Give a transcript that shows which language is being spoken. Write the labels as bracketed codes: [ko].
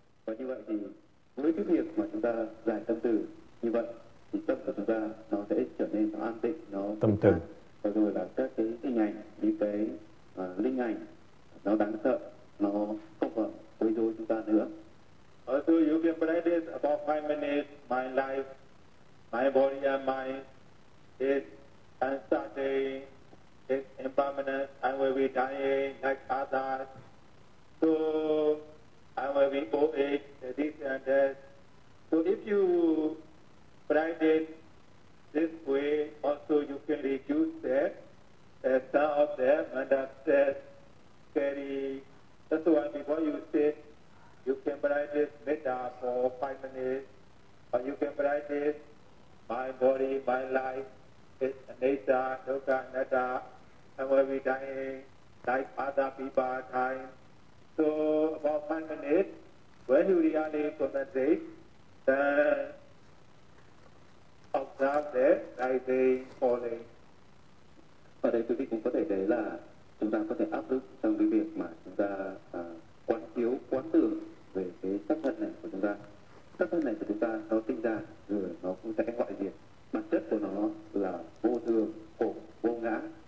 [vi] Và như vậy thì với cái việc mà chúng ta giải tâm từ như vậy, thì tâm của chúng ta nó sẽ trở nên nó an tịnh, nó tâm từ, và rồi là các cái hình ảnh, những cái linh ảnh nó đáng sợ nó không còn quấy rối chúng ta nữa. [en] Also you can practice about 5 minutes, my life, my body and mind is uncertain, is impermanent, I will be dying like others. So I will be old age, this and that. So if you practice this way, also you can reduce that, the sound of the mental stress, scary. That's why before you sit, you can practice metta for 5 minutes, or you can practice my body, my life, it's anatta, dukkha, anatta, and we'll be dying like other people are dying. So about 5 minutes, when you really concentrate, then observe that rising, falling. [vi] Và đây quý vị cũng có thể thấy là chúng ta có thể áp dụng trong cái việc mà chúng ta quán chiếu, quán tưởng về cái sắc thân này của chúng ta. Sắc thân này của chúng ta nó sinh ra rồi nó cũng sẽ hoại diệt. Bản chất của nó là vô thường, khổ, vô ngã.